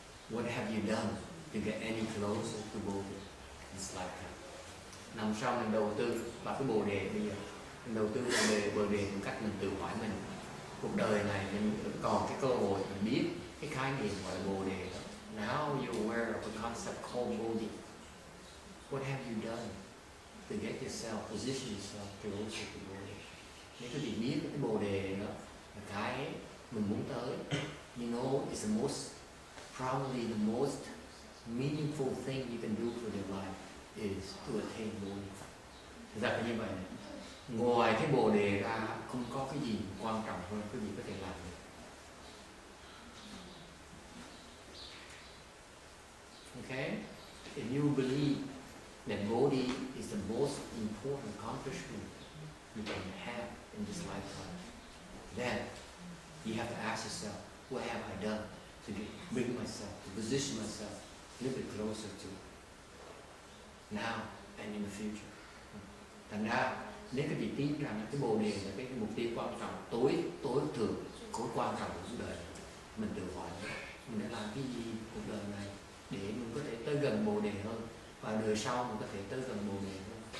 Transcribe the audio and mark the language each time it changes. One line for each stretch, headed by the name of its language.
English: What have you done to get any closer to Bodhi? It's like that.
Vietnamese: Nằm sau mình đầu tư vào cái Bồ Đề bây giờ. Mình đầu tư vào Bồ Đề một cách mình tự hỏi mình. Cuộc đời này mình còn cái cơ hội mình biết cái khái niệm gọi Bồ Đề.
English: Now you're aware of a concept called Bodhi. What have you done to get yourself, position yourself closer to Bodhi?
Vietnamese: Nếu có thể biết cái Bồ Đề đó là cái mình muốn tới.
English: You know, it's the most, probably the most meaningful thing you can do for your life is to attain Bodhi.
Vietnamese: Thật ra phải như vậy này. Ngoài cái Bồ Đề ra, không có cái gì quan trọng hơn cái gì có thể làm được.
English: Okay? If you believe that Bodhi is the most important accomplishment you can have in this lifetime, then you have to ask yourself, what have I done to bring myself, to position myself a little bit closer to now and in the future?
Vietnamese: Thành ra, nếu các vị tin rằng cái Bồ Đề là cái mục tiêu quan trọng, tối thượng, tối quan trọng của cuộc đời, mình tự hỏi mình đã làm cái gì cuộc đời này để mình có thể tới gần Bồ Đề hơn và đời sau mình có thể tới gần Bồ Đề hơn.